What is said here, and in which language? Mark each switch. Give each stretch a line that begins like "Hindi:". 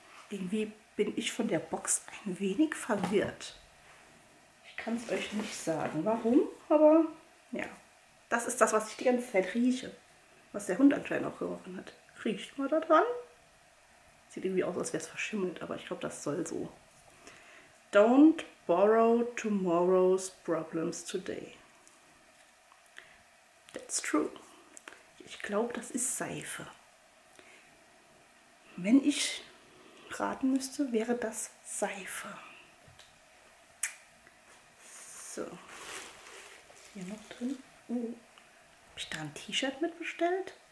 German: Irgendwie bin ich von der Box ein wenig verwirrt. Ich kann es euch nicht sagen, warum, aber ja. Das ist das, was ich die ganze Zeit rieche. Was der Hund anscheinend auch gerochen hat. Riecht man da dran? Sieht irgendwie aus, als wäre es verschimmelt, aber ich glaube, das soll so.
English: Don't borrow tomorrow's problems today. That's true.
German: Ich glaube, das ist Seife. Wenn ich raten müsste, wäre das Seife. So. Hier noch drin. Habe ich da ein T-Shirt mitbestellt?